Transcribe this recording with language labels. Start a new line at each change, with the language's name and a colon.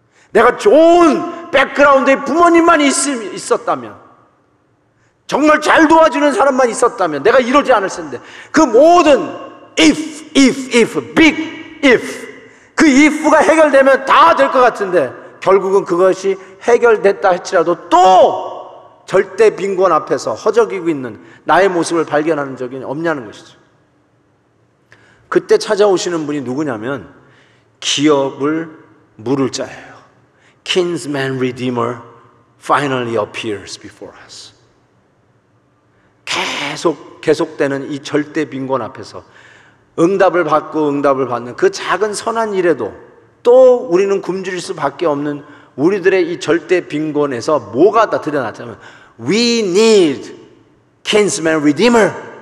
Korean: 내가 좋은 백그라운드에 부모님만 있었다면 정말 잘 도와주는 사람만 있었다면 내가 이러지 않을 텐데 그 모든
English: if big if
Korean: 그 if가 해결되면 다 될 것 같은데 결국은 그것이 해결됐다 할지라도 또 절대 빈곤 앞에서 허적이고 있는 나의 모습을 발견하는 적이 없냐는 것이죠. 그때 찾아오시는 분이 누구냐면 기업을 물을 자예요.
English: Kinsman Redeemer finally appears before us.
Korean: 계속되는 이 절대 빈곤 앞에서 응답을 받고 응답을 받는 그 작은 선한 일에도 또 우리는 굶주릴 수밖에 없는 우리들의 이 절대 빈곤에서 뭐가 다 드러났냐면
English: We need kinsman redeemer.